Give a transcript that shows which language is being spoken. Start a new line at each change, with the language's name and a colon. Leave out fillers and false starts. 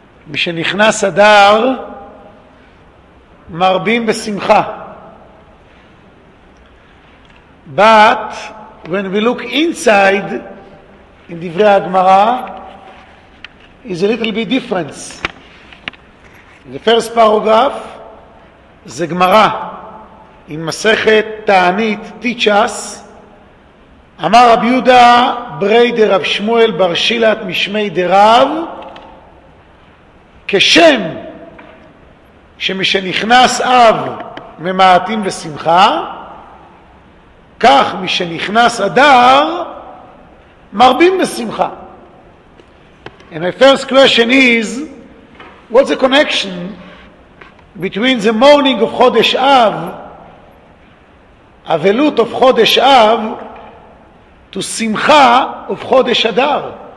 Hebrew: משנכנס אדר, מרבים בשמחה.
English: But when we look inside in דברי הגמרא, is a little bit difference. In the first paragraph,
Hebrew: זה גמרא, עם מסכת תענית,
English: teach us,
Hebrew: אמר רב יהודה ברי דרב שמואל בר שילת משמי דרב, כשם שמשנכנס אב ממעטים בשמחה, כך משנכנס אדר מרבים בשמחה.
English: And my first question is, what's the connection between the morning of חודש אב, אבלות of חודש אב, to שמחה of חודש אדר?